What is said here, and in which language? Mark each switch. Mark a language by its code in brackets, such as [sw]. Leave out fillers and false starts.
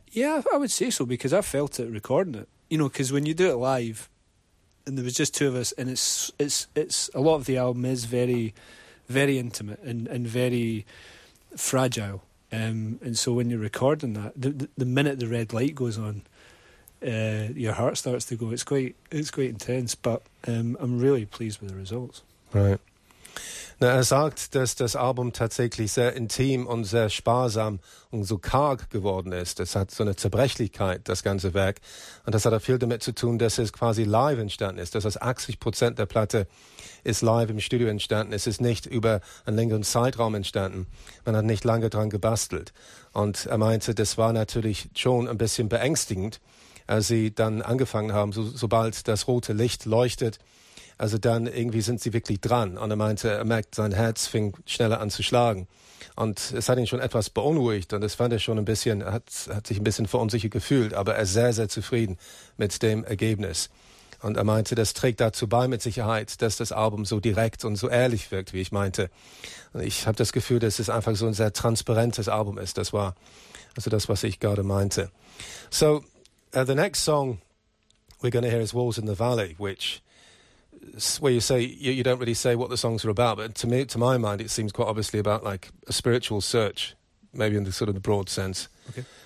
[en] Yeah, I would say so, because I felt it recording it. You know, because when you do it live, and there was just two of us, and it's a lot of the album is very, very intimate and very fragile. And so when you're recording that, the minute the red light goes on, your heart starts to go. It's quite intense, but I'm really pleased with the results. Right. [de] Now, sagt, dass das Album tatsächlich sehr intim und sehr sparsam und so karg geworden ist. Es hat so eine Zerbrechlichkeit, das ganze Werk. Und das hat auch viel damit zu tun, dass es quasi live entstanden ist. Das heißt, 80% der Platte ist live im Studio entstanden. Es ist nicht über einen längeren Zeitraum entstanden. Man hat nicht lange dran gebastelt. Und er meinte, das war natürlich schon ein bisschen beängstigend, als sie dann angefangen haben, sobald das rote Licht leuchtet. Also dann irgendwie sind sie wirklich dran. Und er meinte, er merkt, sein Herz fing schneller an zu schlagen. Und es hat ihn schon etwas beunruhigt. Und das fand er schon ein bisschen, hat sich ein bisschen verunsichert gefühlt. Aber er ist sehr, sehr zufrieden mit dem Ergebnis. Und er meinte, das trägt dazu bei mit Sicherheit, dass das Album so direkt und so ehrlich wirkt, wie ich meinte. Und ich habe das Gefühl, dass es einfach so ein sehr transparentes Album ist. Das war also das, was ich gerade meinte. [en] So, the next song we're going to hear is Walls in the Valley, which... where you say you don't really say what the songs are about, but to my mind it seems quite obviously about like a spiritual search, maybe in the sort of the broad sense. Okay.